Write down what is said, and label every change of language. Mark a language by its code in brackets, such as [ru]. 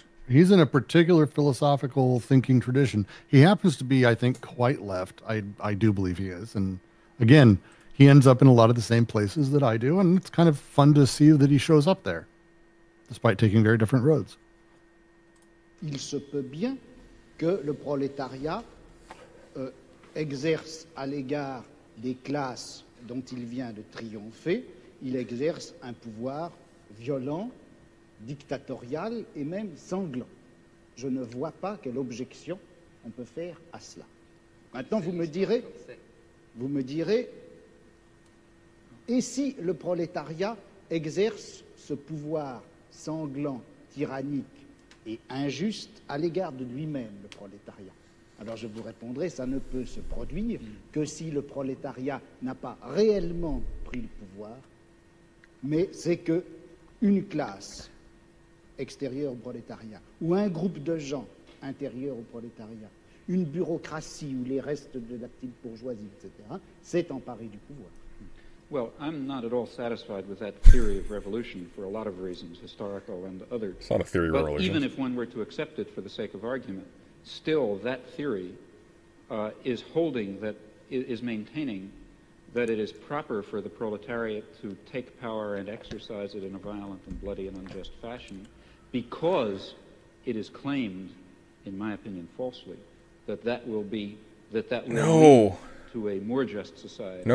[en] he's in a particular philosophical thinking tradition. He happens to be, I think, quite left. I do believe he is. And again, he ends up in a lot of the same places that I do, and it's kind of fun to see that he shows up there, despite taking very different roads. [fr] Il se peut bien que le prolétariat exerce à l'égard des classes dont il vient de triompher, il exerce un pouvoir violent, dictatorial et même sanglant. Je ne vois pas quelle objection on peut faire à cela. Maintenant, vous me direz, et si le prolétariat exerce ce pouvoir sanglant, tyrannique et injuste à l'égard de lui-même, le prolétariat ? Alors je vous répondrai, ça ne peut se produire que si le prolétariat n'a pas réellement pris le pouvoir, mais c'est que une classe extérieure au prolétariat, ou un groupe de gens intérieurs au prolétariat, une bureaucratie ou les restes de la petite bourgeoisie, etc., s'est emparé du pouvoir. [en] Well, I'm not at all satisfied with that theory of revolution for a lot of reasons, historical and other. It's not a theory of but revolution. Even if one were to accept it for the sake of argument, still, that theory is holding that, is maintaining that it is proper for the proletariat to take power and exercise it in a violent and bloody and unjust fashion because it is claimed, in my opinion, falsely, that will lead to a more just society.